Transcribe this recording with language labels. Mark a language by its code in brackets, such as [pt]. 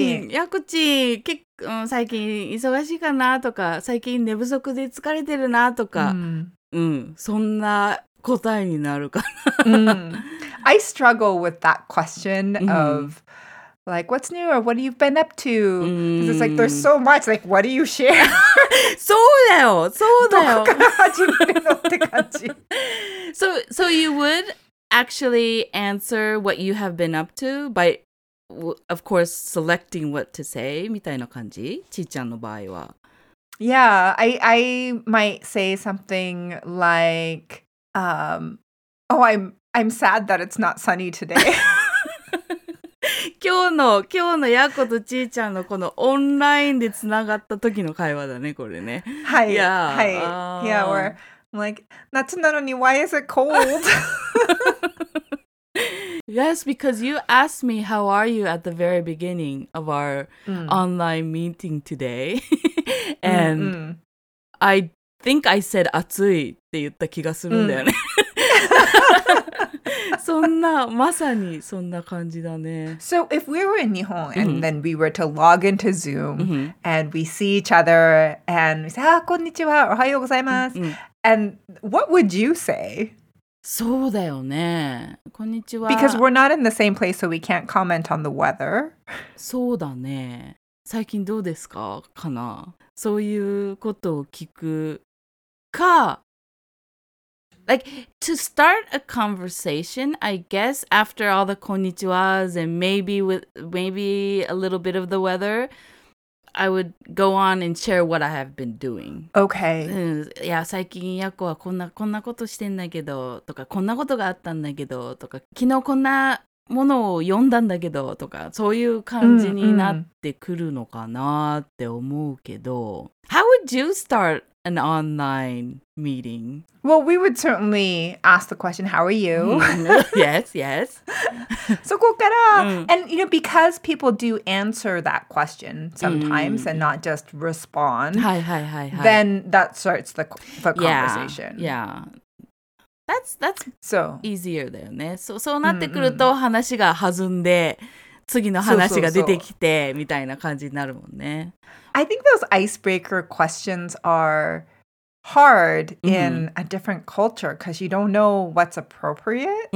[ja] やこち、結構、最近忙しいかなとか、最近寝不足で疲れてるなとか、そんな答えになるかな。 [en] I struggle with that question of, like, what's new or what you've been up to? Because it's like, there's so much, like, what do you share? [ja] そうだよ、そうだよ。どこから始めるのって感じ。 [en] So you would actually answer what you have been up to by... Of course, selecting what to say, [ja] みたいな感じ?Chi-chan の場合は。 [en] Yeah, I might say something like, oh, I'm sad that it's not sunny today. [ja] 今日のやことちーちゃんのこのオンラインでつながった時の会話だね、これね。はい。 [en] Yeah. [ja] はい。 [en] Yeah, or I'm like, [ja] 夏なのに [en] why is it cold? Yes, because you asked me how are you at the very beginning of our online meeting today. And I think I said [ja] 暑いって言った気がするんだよね。そんな、まさにそんな感じだね。 [en] So if we were in Nihon and then we were to log into Zoom and we see each other and we say, ah, [ja] こんにちは、おはようございます。 [en] And what would you say? [ja] そうだよね。こんにちは。 [en] Because we're not in the same place, so we can't comment on the weather. [ja] そうだね。最近どうですか?かな。そういうことを聞くか、 [en] Like, to start a conversation, I guess, after all the konnichiwas and maybe a little bit of the weather, I would go on and share what I have been doing. Okay. [ja] いや、最近ヤコはこんなことしてんだけど、とか、こんなことがあったんだけど、とか、昨日こんなものを読んだんだけど、とか、そういう感じになってくるのかなって思うけど。 [en] How would you start an online meeting? Well, we would certainly ask the question, how are you? Yes, yes. [ja] そこから、 [en] and you know, because people do answer that question sometimes and not just respond, then that starts the conversation. Yeah. That's easier [ja] だよね。そうなってくると話が弾んで、次の話が出てきてみたいな感じになるもんね。 [en] I think those icebreaker questions are hard in a different culture because you don't know what's appropriate.